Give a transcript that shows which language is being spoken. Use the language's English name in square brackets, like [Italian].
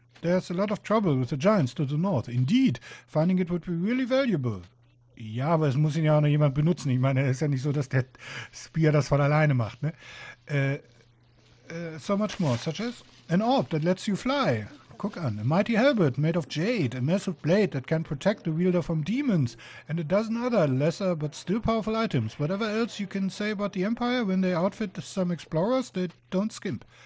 [English] There's a lot of trouble with the giants to the north. Indeed, finding it would be really valuable. [German] Ja, aber es muss ihn ja auch noch jemand benutzen. Ich meine, es ist ja nicht so, dass der Spear das von alleine macht, ne? [English] So much more, such as an orb that lets you fly. [German] Guck an, [English] a mighty halberd made of jade, a massive blade that can protect the wielder from demons, and a dozen other lesser but still powerful items. Whatever else you can say about the Empire, when they outfit some explorers, they don't skimp.